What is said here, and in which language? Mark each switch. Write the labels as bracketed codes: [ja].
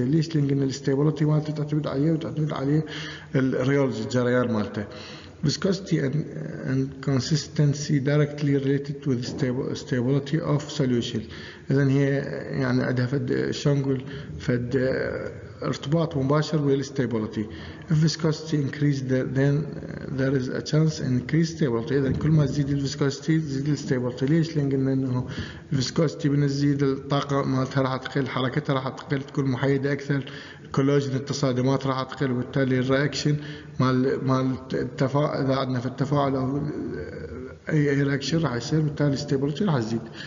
[ar] ليش؟ لان الاستابلتي مالته تعتمد عليه وتعتمد عليه الريولوجي الجريان مالته. [en] Viscosity and consistency directly related to the stability of solution. [ar] اذا هي يعني عندها فد شنقول فد ارتباط مباشر ويا الاستابلتي. [en] If viscosity increased then there is a chance increased stability. [ar] اذا كل ما تزيد الفيسكوستي تزيد الاستابلتي. ليش؟ لان انه الفيسكوستي بنزيد الطاقه مالتها راح تقل، حركتها راح تقل، تكون محايده اكثر، كولوجين التصادمات راح تقل، وبالتالي الرياكشن مال التفاعل اذا عندنا في التفاعل او اي رياكشن راح يصير، بالتالي الاستابلتي راح تزيد.